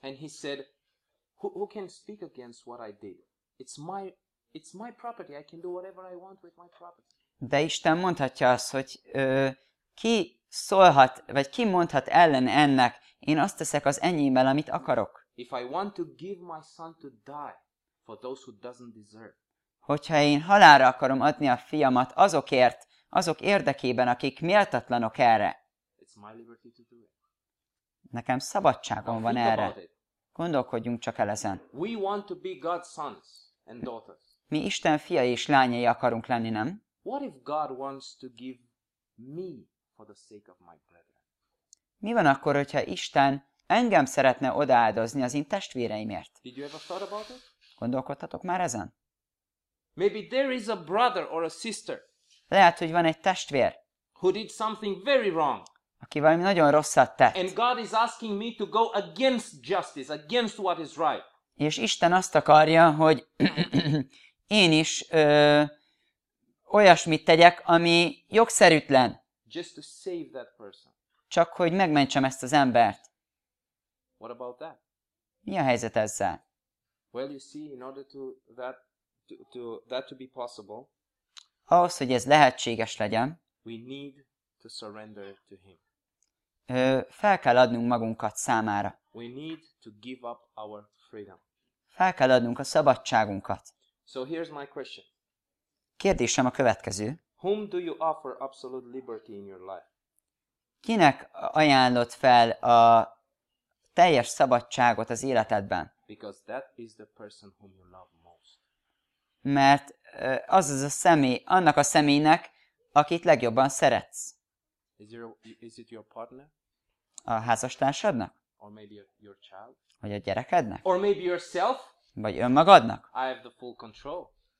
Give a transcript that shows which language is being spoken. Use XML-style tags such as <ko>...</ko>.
<en>And he said, who can speak against what I did? It's my property. I can do whatever I want with my property.</en> <hu>De Isten mondhatja azt, hogy ki szólhat, vagy ki mondhat ellen ennek, én azt teszek az enyémmel, amit akarok.</hu> <en>If I want to give my son to die for those who doesn't deserve.</en> <hu>Hogyha én halálra akarom adni a fiamat azokért, azok érdekében, akik méltatlanok erre.</hu> <en>It's my liberty to do it.</en> <hu>Nekem szabadságom van erre. Gondolkodjunk csak el ezen.</hu> <en>We want to be God's sons and daughters.</en> <hu>Mi Isten fiai és lányai akarunk lenni, nem?</hu> <en>What if God wants to give me for the sake of my brethren?</en> <hu>Mi van akkor, hogyha Isten engem szeretne odaáldozni az én testvéreimért?</hu> <en>Did you ever thought about it?</en> <hu>Gondolkodtatok már ezen?</hu> <en>Maybe there is a brother or a sister.</en> <hu>Lehet, hogy van egy testvér.</hu> <en>Who did something very wrong.</en> <hu>Aki valami nagyon rosszat tett.</hu> <en>And God is asking me to go against justice, against what is right.</en> <hu>És Isten azt akarja, hogy én is olyasmit tegyek, ami jogszerűtlen.</hu> <en>Just to save that person.</en> <hu>Csak hogy megmentsem ezt az embert.</hu> <en>What about that?</en> <hu>Mi a helyzet ezzel?</hu> <en>Well, you see, in order to that that to be possible,</en> <hu>ahhoz, hogy ez lehetséges legyen,</hu> <en>we need to surrender to him.</en> <hu>Fel kell adnunk magunkat számára.</hu> <en>We need to give up our freedom.</en> <hu>Fel kell adnunk a szabadságunkat.</hu> <en>So here's my question.</en> <hu>Kérdésem a következő.</hu> <en>Whom do you offer absolute liberty in your life?</en> <hu>Kinek ajánlod fel a teljes szabadságot az életedben?</hu> <en>Because that is the person whom you love most.</en> <hu>Mert az a személy, annak a személynek, akit legjobban szeretsz.</hu> <en>Is it your partner?</en> <hu>A házastársadnak?</hu> <en>Or maybe your child?</en> <hu>Vagy a gyerekednek?</hu> <en>Or maybe yourself?</en> <hu>Vagy önmagadnak?</hu> <en>I have the full control.</en>